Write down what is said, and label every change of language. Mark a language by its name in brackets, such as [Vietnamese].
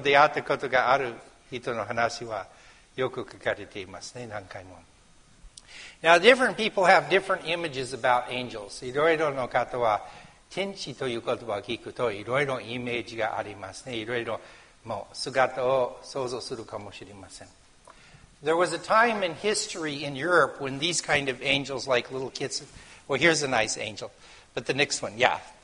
[Japanese] 出会ったことがある人の話はよく書かれていますね、何回も。 [English] Now, different people have different images about angels. [Japanese] いろいろの方は天使という言葉を聞くといろいろイメージがありますね。いろいろもう姿を想像するかもしれません。 [English] There was a time in history in Europe when these kind of angels, like little kids, well, here's a nice angel, but the next one, yeah.